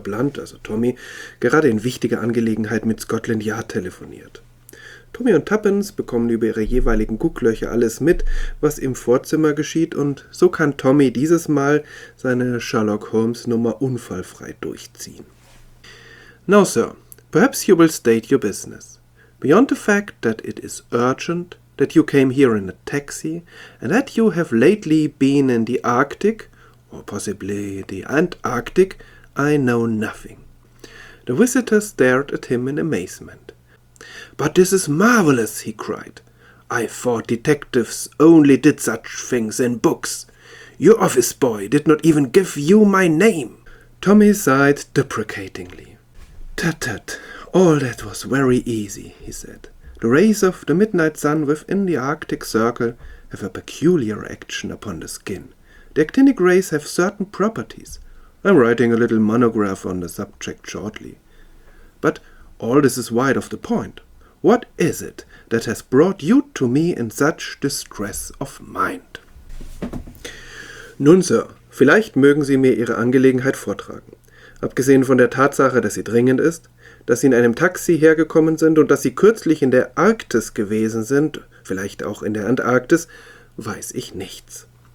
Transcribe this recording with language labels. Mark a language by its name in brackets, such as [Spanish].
[German] Blunt, also Tommy, gerade in wichtiger Angelegenheit mit Scotland Yard telefoniert. Tommy und Tuppence bekommen über ihre jeweiligen Gucklöcher alles mit, was im Vorzimmer geschieht und so kann Tommy dieses Mal seine Sherlock-Holmes-Nummer unfallfrei durchziehen. [English] Now, sir, perhaps you will state your business. Beyond the fact that it is urgent, that you came here in a taxi, and that you have lately been in the Arctic, or possibly the Antarctic, I know nothing. The visitor stared at him in amazement. But this is marvelous, he cried. I thought detectives only did such things in books. Your office boy did not even give you my name. Tommy sighed deprecatingly. Tut, tut, all that was very easy, he said. The rays of the midnight sun within the Arctic Circle have a peculiar action upon the skin. The actinic rays have certain properties. I'm writing a little monograph on the subject shortly. But all this is wide of the point. What is it that has brought you to me in such distress of mind? [German] Nun, Sir, vielleicht mögen Sie mir Ihre Angelegenheit vortragen. Abgesehen von der Tatsache, dass sie dringend ist, dass Sie in einem Taxi hergekommen sind und dass Sie kürzlich in der Arktis gewesen sind, vielleicht auch in der Antarktis, weiß ich nichts.